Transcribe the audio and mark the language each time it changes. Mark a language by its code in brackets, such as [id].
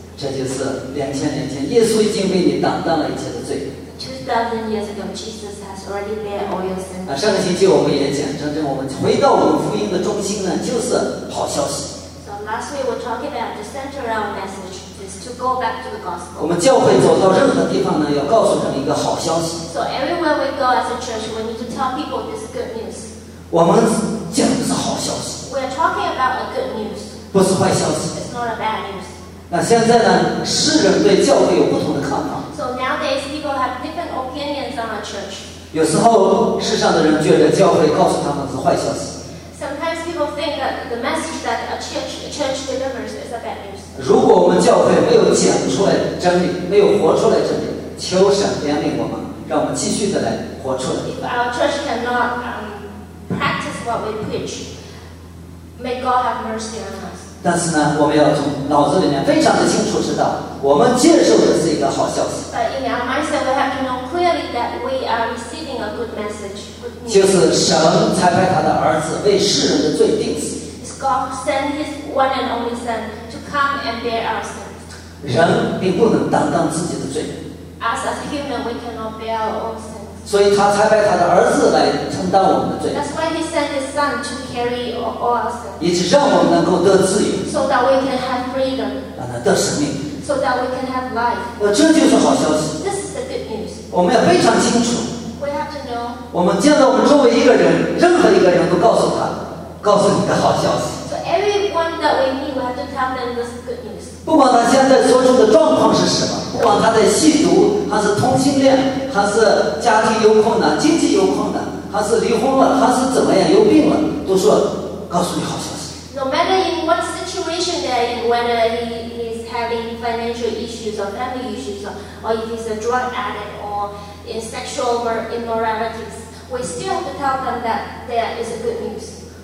[zh] 这就是两千年前，耶稣已经为你担当了一切的罪。 [en] 2000 years ago, Jesus has already bear all your sins。 [zh] 啊，上个星期我们也讲，真正我们回到我们福音的中心呢，就是好消息。 [en] So last week we're talking about the center of our message is to go back to the gospel。 [zh] 我们教会走到任何地方呢，要告诉人一个好消息。 [en] So everywhere we go as a church, we need to tell people this good news。 [zh] 我们讲的是好消息。 [en] We're talking about a good news。 [zh] 不是坏消息。 [en] It's not a bad news。 [zh] 那现在呢？世人对教会有不同的看法。 [en] So nowadays people have different opinions on our church。 [zh] 有时候世上的人觉得教会告诉他们是坏消息。 [en] Sometimes people think that the message that a church delivers is a bad news。 [zh] 如果我们教会没有讲出来真理，没有活出来真理，求神怜悯我们，让我们继续的来活出来。 [en] If our church cannot practice what we preach, may God have mercy on us。 [zh] 但是呢，我们要从脑子里面非常的清楚知道，我们接受的是一个好消息。 [en] But in our mindset, we have to know clearly that we are receiving a good message. [zh] 就是神差派他的儿子为世人的罪定死。 [en] It's God sent His one and only Son to come and bear our sins. [zh] 人并不能担当自己的罪。 [en] As a human, we cannot bear our own sins. [zh] 所以他差派他的儿子来承担我们的罪。 [en] That's why He sent His Son to carry all our sins. [zh] 以致让我们能够得自由。 [en] So that we can have freedom. [zh] 让他得生命。 [en] So that we can have life. [zh] 这就是好消息。 [en] This is the good news. [zh] 我们要非常清楚。 [en] We have to know. [zh] 我们见到我们周围一个人，任何一个人都告诉他，告诉你的好消息。 [en] So everyone that we meet, we have to tell them this good news. [zh] 不管他现在所处的状况是什么。不管他在吸毒，还是同性恋，还是家庭有困难、经济有困难，还是离婚了，还是怎么样有病了，都说告诉你好消息。 [en] No matter in what situation they're in, whether he is having financial issues or family issues, or if he's a drug addict or in sexual immoralities, we still have to tell them that there is a good news.